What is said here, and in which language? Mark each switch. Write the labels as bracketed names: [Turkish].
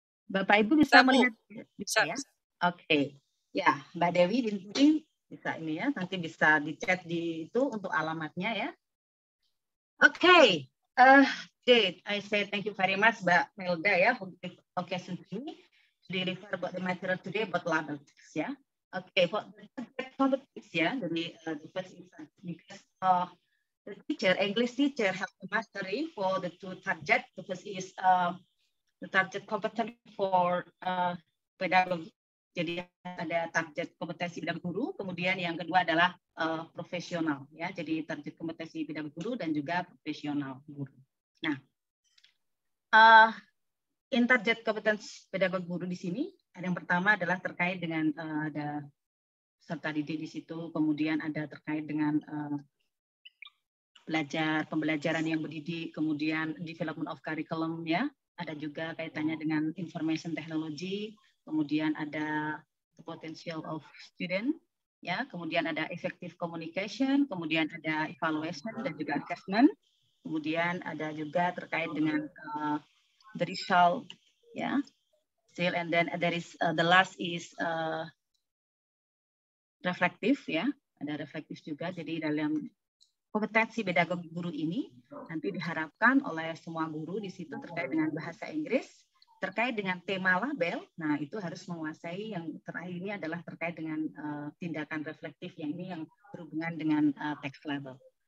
[Indonesian] Bapak Ibu bisa Tamu. Melihat bisa ya? Oke. Okay. Ya, Mbak Dewi Dinti bisa ini ya, nanti bisa di-chat di itu untuk alamatnya ya. Oke. Okay. [English] I say thank you very much, Mbak Melda, ya, for the occasion to me to deliver about the material today about labeltics, ya. Okay, for the subject labeltics, ya, [Indonesian] dari [English] the first instance, because the teacher, English teacher, have the mastery for the two target, because it's the target competence for pedagogy. [Indonesian] Jadi ada target kompetensi bidang guru, kemudian yang kedua adalah profesional, ya. Jadi target kompetensi bidang guru dan juga profesional guru. Nah, in target kompetensi pedagog guru di sini, ada yang pertama adalah terkait dengan ada peserta didik di situ, kemudian ada terkait dengan belajar, pembelajaran yang mendidik, kemudian [English] development of curriculum, [Indonesian] ya. Ada juga kaitannya dengan information technology. Kemudian ada [English] the potential of student, ya. [Indonesian] Kemudian ada effective communication, kemudian ada evaluation dan juga assessment. Kemudian ada juga terkait dengan the result, ya. [English] Still, and then there is the last is reflective, ya. [Indonesian] Ada reflective juga. Jadi dalam kompetensi pedagog guru ini nanti diharapkan oleh semua guru di situ terkait dengan bahasa Inggris. Terkait dengan tema label, nah itu harus menguasai yang terakhir ini adalah terkait dengan tindakan reflektif, yang ini yang berhubungan dengan teks label.